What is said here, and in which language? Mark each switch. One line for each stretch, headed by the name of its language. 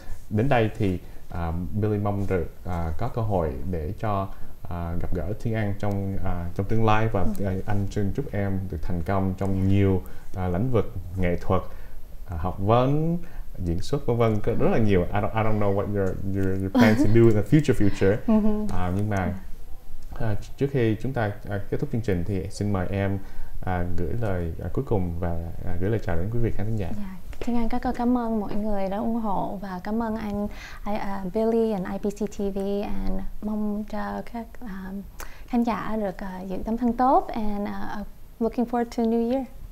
Vietnamese: Đến đây thì Billy mong được có cơ hội để cho gặp gỡ Thiên An trong trong tương lai, và anh xin chúc em được thành công trong nhiều lĩnh vực nghệ thuật, học vấn, diễn xuất, vân vân, rất là nhiều.
English: I don't know what your plan to do in the future.
Vietnamese: Nhưng mà trước khi chúng ta kết thúc chương trình, thì xin mời em gửi lời cuối cùng và gửi lời chào đến quý vị khán thính giả. Thiên An rất cảm ơn mọi người đã ủng hộ, và cảm ơn anh Billy and IBC TV, and mong cho các khán giả được giữ tâm thần tốt,
English: and looking forward to new year.